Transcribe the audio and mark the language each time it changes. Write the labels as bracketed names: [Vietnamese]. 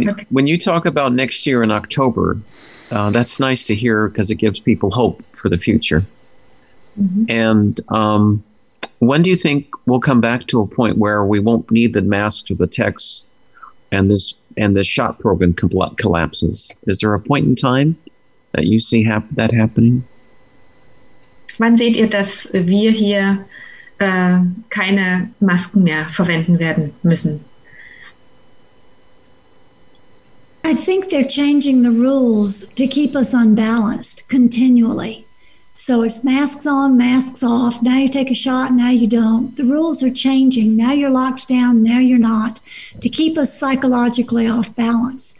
[English] When you talk about next year in October, that's nice to hear because it gives people hope for the future. Mm-hmm. And when do you think we'll come back to a point where we won't need the mask or the techs and this shot program collapses? Is there a point in time that you see that happening? [German] Wann seht ihr, dass wir hier keine Masken mehr verwenden werden müssen? [English] I think they're changing the rules to keep us unbalanced continually. So it's masks on, masks off. Now you take a shot, now you don't. The rules are changing. Now you're locked down, now you're not, to keep us psychologically off balance.